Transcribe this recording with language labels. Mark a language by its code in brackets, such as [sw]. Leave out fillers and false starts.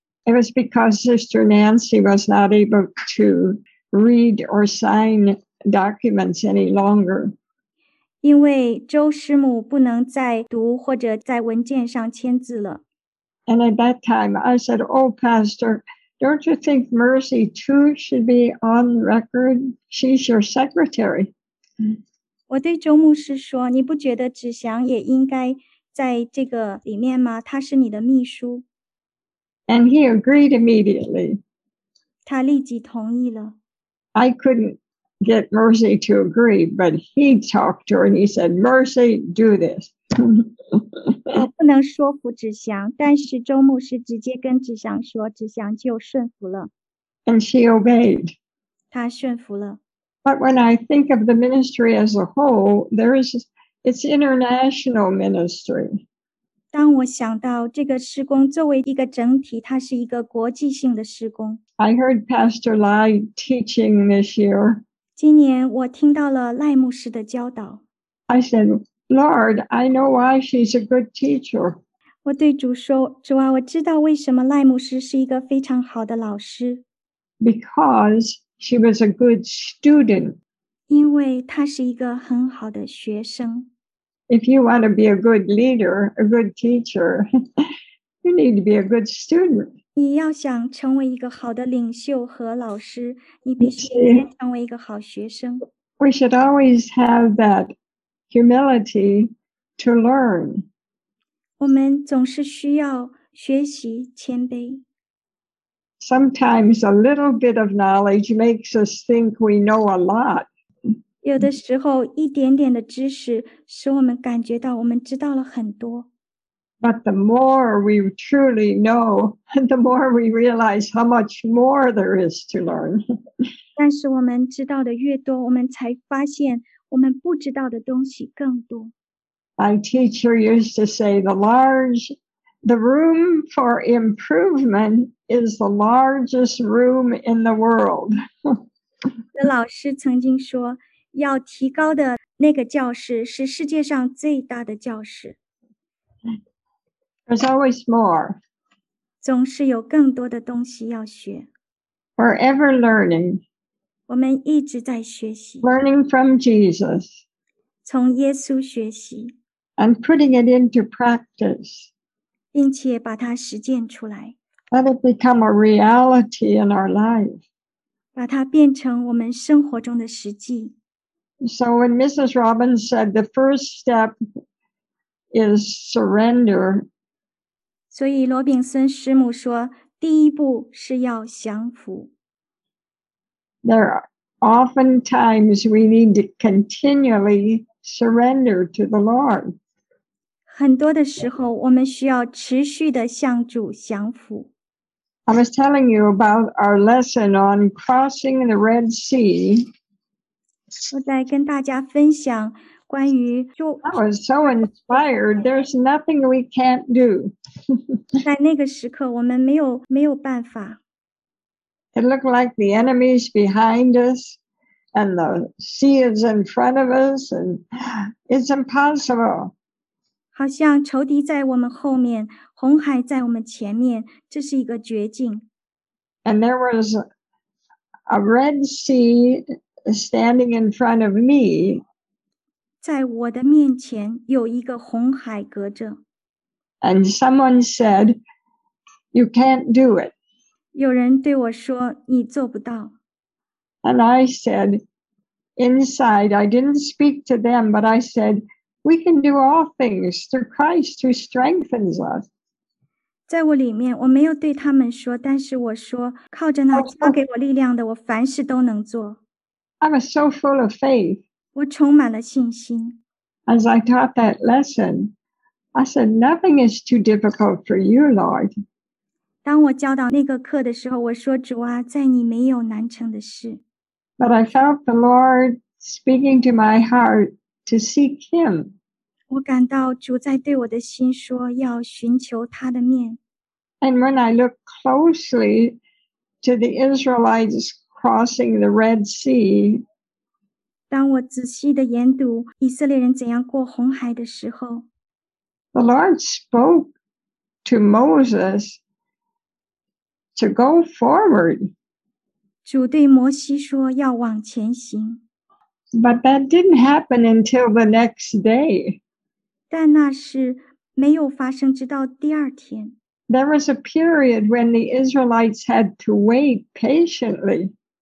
[en] It was because Sister Nancy was not able to read or sign documents any longer. [zh] 因为周师母不能再读或者在文件上签字了。 [en] And at that time, I said, "Oh, Pastor, don't you think Mercy too should be on record? She's your secretary." [zh] 我对周牧师说，你不觉得芷祥也应该在这个里面吗？她是你的秘书。 [en] And he agreed immediately. [zh] 他立即同意了。 [en] I couldn't get Mercy to agree, but he talked to her and he said, "Mercy, do this." [zh] 我不能说服芷祥，但是周牧师直接跟芷祥说，芷祥就顺服了。 [en] And she obeyed. [zh] 她顺服了。 [en] But when I think of the ministry as a whole, it's international ministry. [zh] 当我想到这个事工作为一个整体，它是一个国际性的事工。 [en] I heard Pastor Lai teaching this year. [zh] 今年我听到了赖牧师的教导。 [en] I said, "Lord, I know why she's a good teacher." [zh] 我对主说，主啊，我知道为什么赖牧师是一个非常好的老师。 [en] Because she was a good student. [zh] 因为她是一个很好的学生。 [en] If you want to be a good leader, a good teacher, you need to be a good student. [zh] 你要想成为一个好的领袖和老师，你必须先成为一个好学生。 [en] We should always have that humility to learn. [zh] 我们总是需要学习谦卑。 [en] Sometimes a little bit of knowledge makes us think we know a lot. [zh] 有的时候一点点的知识使我们感觉到我们知道了很多。 [en] But the more we truly know, the more we realize how much more there is to learn. [zh] 但是我们知道的越多，我们才发现我们不知道的东西更多。 [en] My teacher used to say, the room for improvement is the largest room in the world. [zh] 我的老师曾经说，要提高的那个教室是世界上最大的教室。 [en] There's always more. [zh] 总是有更多的东西要学。 [en] Forever learning. [zh] 我们一直在学习。 [en] Learning from Jesus. [zh] 从耶稣学习。 [en] And putting it into practice. [zh] 并且把它实践出来。 [en] Let it become a reality in our life. [zh] 把它变成我们生活中的实际。 [en] So when Mrs. Robbins said the first step is surrender, [zh] 所以罗炳森师母说第一步是要降服。 [en] There are often times we need to continually surrender to the Lord. [zh] 很多的时候我们需要持续的向主降服。 [en] I was telling you about our lesson on crossing the Red Sea. [zh] 我在跟大家分享关于就 [en] I was so inspired. There's nothing we can't do. [zh] 在那个时刻，我们没有办法。 [en] It looked like the enemy's behind us, and the sea is in front of us, and it's impossible. [zh] 好像仇敌在我们后面，红海在我们前面，这是一个绝境。 [en] And there was a Red Sea. Standing in front of me, [zh] 在我的面前有一个红海隔着。 [en] And someone said, "You can't do it." [zh] 有人对我说，你做不到。 [en] And I said, inside, I didn't speak to them, but I said, We can do all things through Christ who strengthens us. [zh] 在我里面，我没有对他们说，但是我说，靠着那加给我力量的，我凡事都能做。 [en] I'm so full of faith. [zh] 我充满了信心。 [en] As I taught that lesson, I said, nothing is too difficult for you, Lord. [zh] 当我教导那个课的时候，我说，主啊，在你没有难成的事。 [en] But I felt the Lord speaking to my heart to seek him. [zh] 我感到主在对我的心说要寻求他的面。 [en] And when I look closely to the Israelites crossing the Red Sea, [zh] 当我仔细地研读以色列人怎样过红海的时候， [en] the Lord spoke to Moses to go forward. [zh] 主对摩西说要往前行。 [en] But that didn't happen until the next day. [zh] 但那是没有发生直到第二天。 [en] There was a period when the Israelites had to wait patiently.